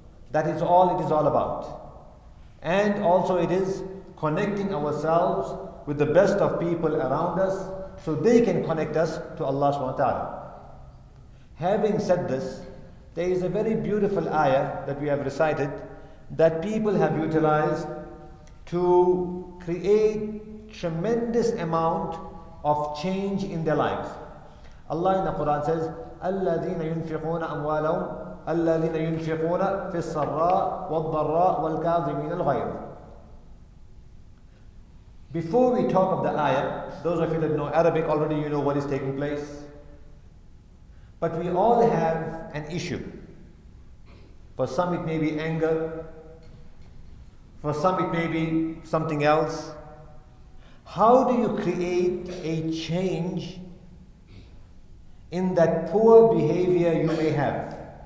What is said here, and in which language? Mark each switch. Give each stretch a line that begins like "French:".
English: That is all it is all about. And also it is connecting ourselves with the best of people around us so they can connect us to Allah subhanahu wa ta'ala. Having said this, there is a very beautiful ayah that we have recited that people have utilized to create tremendous amount of change in their lives. Allah in the Quran says,
Arabic: الَّذِينَ يُنْفِقُونَ أَمْوَالَهُمْ الَّذِينَ يُنْفِقُونَ فِي السَّرَّاءِ وَالضَّرَّاءِ وَالْكَاظِمِينَ الْغَيْظِ.
English: Before we talk of the ayah, those of you that know Arabic already, you know what is taking place. But we all have an issue. For some it may be anger. For some it may be something else. How do you create a change in that poor behavior you may have?